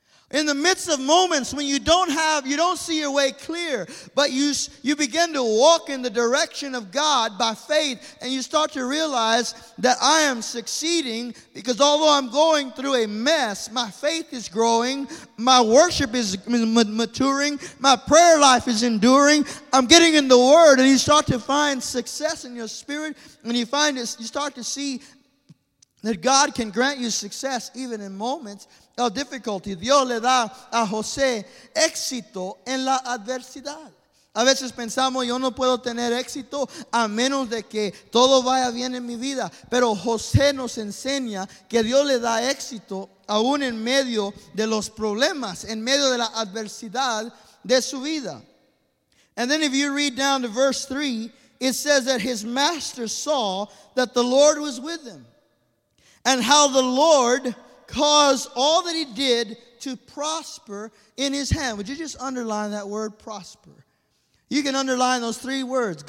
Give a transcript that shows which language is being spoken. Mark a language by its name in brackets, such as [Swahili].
[English] In the midst of moments when you don't see your way clear, but you begin to walk in the direction of God by faith, and you start to realize that I am succeeding, because although I'm going through a mess, my faith is growing, my worship is maturing, my prayer life is enduring, I'm getting in the Word, and you start to find success in your spirit, and you find this, you start to see that God can grant you success even in moments of difficulty. [Spanish] Dios le da a José éxito en la adversidad. A veces pensamos, yo no puedo tener éxito a menos de que todo vaya bien en mi vida. Pero José nos enseña que Dios le da éxito aún en medio de los problemas, en medio de la adversidad de su vida. [English] And then if you read down to verse 3, it says that his master saw that the Lord was with him, and how the Lord caused all that he did to prosper in his hand. Would you just underline that word, prosper? You can underline those three words.